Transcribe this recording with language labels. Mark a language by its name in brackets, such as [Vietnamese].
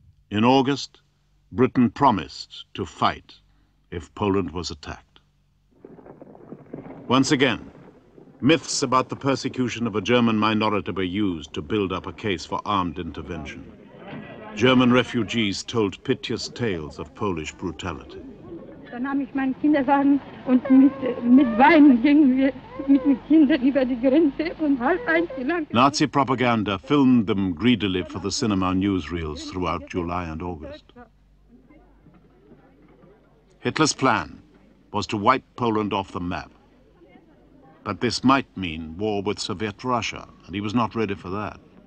[English] In August, Britain promised to fight if Poland was attacked. Once again, myths about the persecution of a German minority were used to build up a case for armed intervention. German refugees told piteous tales of Polish brutality. [German] Da nahm ich meinen Kinderwagen und mit Weinen gingen wir mit den Kindern über die Grenze und halb eins lang. [English] Nazi propaganda filmed them greedily for the cinema newsreels throughout July and August. Hitler's plan was to wipe Poland off the map. But this might mean war with Soviet Russia, and he was not ready for that.